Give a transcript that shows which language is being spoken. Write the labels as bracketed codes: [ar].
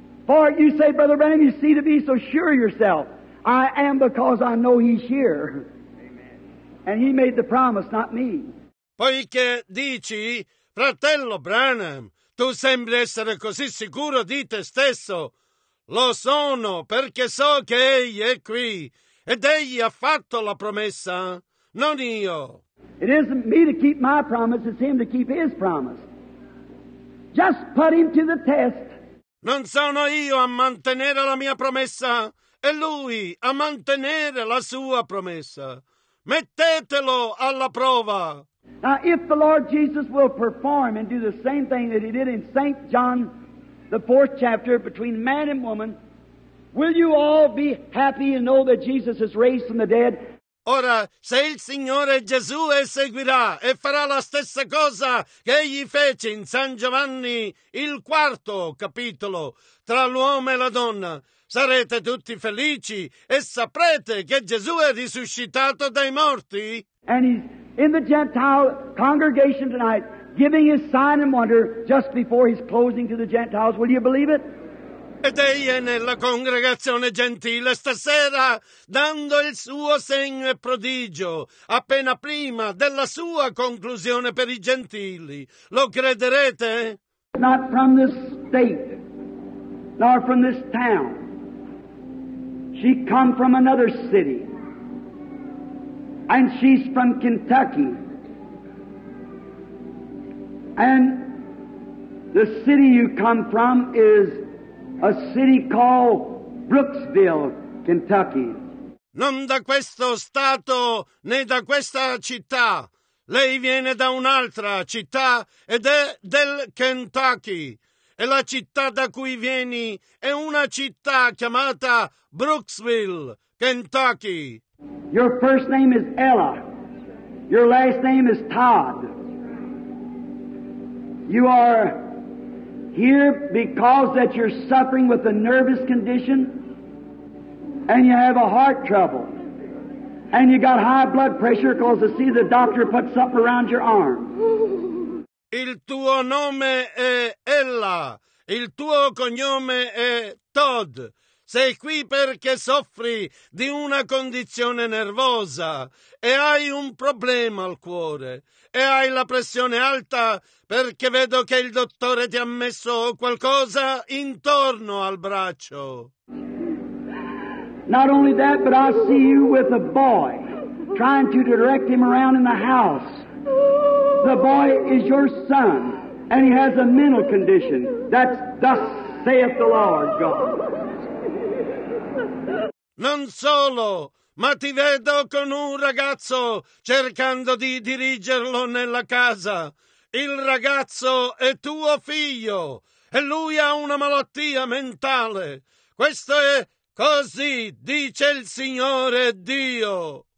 [en] For you say, Brother Branham, you seem to be so sure yourself. I am because I know he's here. Amen. And he made the promise, not me. [it] Poiché dici, fratello Branham, tu sembri essere così sicuro di te stesso. Lo sono, perché so che egli è qui, ed egli ha fatto la promessa, non io. [en] It isn't me to keep my promise, it's him to keep his promise. Just put him to the test. [it] Non sono io a mantenere la mia promessa, è lui a mantenere la sua promessa. Mettetelo alla prova. [en] Now, if the Lord Jesus will perform and do the same thing that he did in St. John, the fourth chapter, between man and woman, will you all be happy and know that Jesus is raised from the dead? [it] Ora, se il Signore Gesù eseguirà e farà la stessa cosa che egli fece in San Giovanni, il quarto capitolo, tra l'uomo e la donna, sarete tutti felici e saprete che Gesù è risuscitato dai morti. [en] And he's in the Gentile congregation tonight, giving his sign and wonder just before his closing to the Gentiles. Will you believe it? [it] Ed egli è nella congregazione gentile stasera, dando il suo segno e prodigio, appena prima della sua conclusione per i gentili. Lo crederete? [en] Not from this state, nor from this town. She come from another city. And she's from Kentucky. And the city you come from is a city called Brooksville, Kentucky. [it] Non da questo stato né da questa città. Lei viene da un'altra città ed è del Kentucky. E la città da cui vieni è una città chiamata Brooksville, Kentucky. [en] Your first name is Ella. Your last name is Todd. You are here because that you're suffering with a nervous condition and you have a heart trouble and you got high blood pressure because I see the doctor put something around your arm. [it] Il tuo nome è Ella, il tuo cognome è Todd. Sei qui perché soffri di una condizione nervosa e hai un problema al cuore e hai la pressione alta perché vedo che il dottore ti ha messo qualcosa intorno al braccio. [en] Not only that, but I see you with a boy trying to direct him around in the house. The boy is your son and he has a mental condition. That's thus saith the Lord God. [it] Non solo, ma ti vedo con un ragazzo cercando di dirigerlo nella casa. Il ragazzo è tuo figlio e lui ha una malattia mentale. Questo è così, dice il Signore Dio.